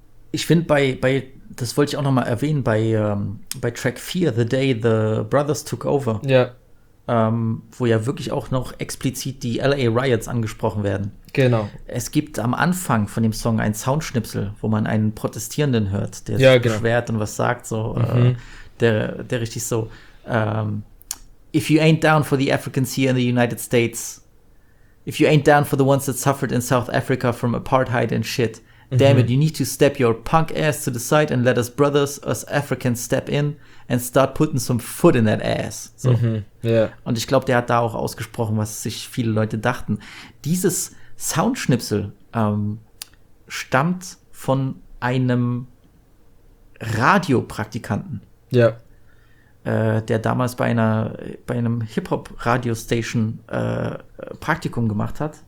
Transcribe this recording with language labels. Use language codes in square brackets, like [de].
[de] Ich finde bei das wollte ich auch noch mal erwähnen, bei Track 4, The Day the Brothers Took Over. Ja. Wo ja wirklich auch noch explizit die LA Riots angesprochen werden. Genau. Es gibt am Anfang von dem Song einen Soundschnipsel, wo man einen Protestierenden hört, der sich beschwert und was sagt, so. Der richtig so. [en] if you ain't down for the Africans here in the United States, if you ain't down for the ones that suffered in South Africa from apartheid and shit, damn it, you need to step your punk ass to the side and let us brothers, us Africans, step in and start putting some foot in that ass. [de] So. [en] Yeah. [de] Und ich glaube, der hat da auch ausgesprochen, was sich viele Leute dachten. Dieses Soundschnipsel stammt von einem Radiopraktikanten. Ja. Yeah. Der damals bei einem Hip-Hop-Radio-Station Praktikum gemacht hat.